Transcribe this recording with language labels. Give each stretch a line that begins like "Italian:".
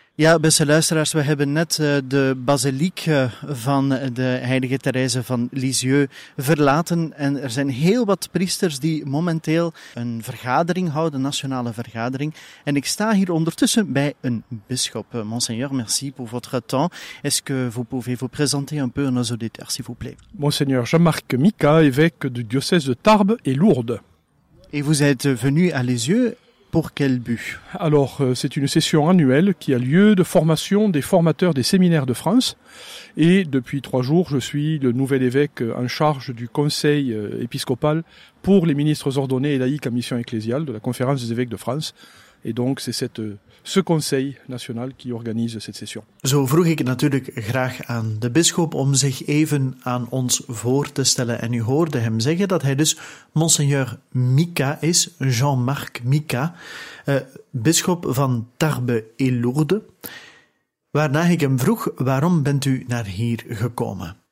Dutch: Ja, beste luisteraars, we hebben net de basiliek van de heilige Therese van Lisieux verlaten. En er zijn heel wat priesters die momenteel een vergadering houden, een nationale vergadering. En ik sta hier ondertussen bij een bisschop.
French: Monseigneur, merci pour votre temps. Est-ce que vous pouvez vous présenter un peu à nos auditeurs, s'il vous plaît? Monseigneur Jean-Marc Mika, évêque du diocèse de Tarbes et Lourdes. Et vous êtes venu à Lisieux? Pour quel but? Alors, c'est une session annuelle qui a lieu de formation des formateurs des séminaires de France. Et depuis 3 jours, je suis le nouvel évêque en charge du conseil épiscopal pour les ministres ordonnés et laïcs en mission ecclésiale de la conférence des évêques de France. Et donc, c'est ce conseil national qui organise cette session.
Dutch: Zo vroeg ik natuurlijk graag aan de bisschop om zich even aan ons voor te stellen. En u hoorde hem zeggen dat hij dus Monseigneur Mika is, Jean-Marc Mika, bisschop van Tarbes et Lourdes. Waarna ik hem vroeg, waarom bent u naar hier gekomen?